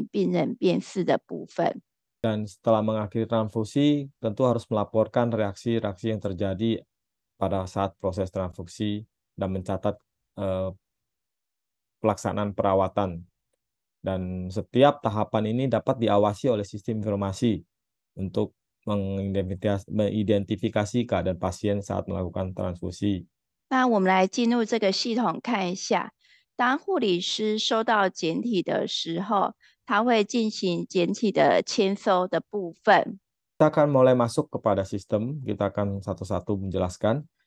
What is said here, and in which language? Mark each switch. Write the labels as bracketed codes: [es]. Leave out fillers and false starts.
[zh] 输血结束之后，我们要也是要进行回报做记录的部分。那每一个关卡都是要靠资讯来去做提醒及进行病人辨识的部分。 [id] Dan setelah mengakhiri transfusi, tentu harus melaporkan reaksi-reaksi yang terjadi pada saat proses transfusi dan mencatat pelaksanaan perawatan. Dan setiap tahapan ini dapat diawasi oleh sistem informasi untuk mengidentifikasi keadaan pasien saat melakukan transfusi. [zh] 那我们来进入这个系统看一下，当护理师收到简体的时候。他会进行简体的签收的部分。 [id] Kita akan mulai masuk kepada sistem. Kita akan satu-satu menjelaskan.